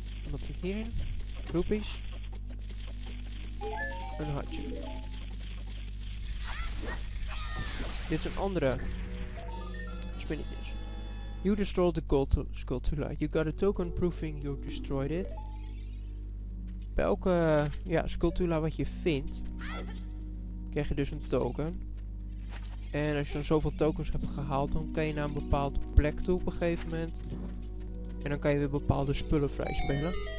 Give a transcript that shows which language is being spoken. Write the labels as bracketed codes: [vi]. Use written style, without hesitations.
[nl] Wat zit hierin? Roepies. Een hartje. Dit is een andere spinnetjes. [en] You destroyed the gold skull to light. You got a token proving you destroyed it. [nl] Bij elke skulptula wat je vindt, krijg je dus een token. En als je dan zoveel tokens hebt gehaald, dan kan je naar een bepaalde plek toe op een gegeven moment. En dan kan je weer bepaalde spullen vrijspelen.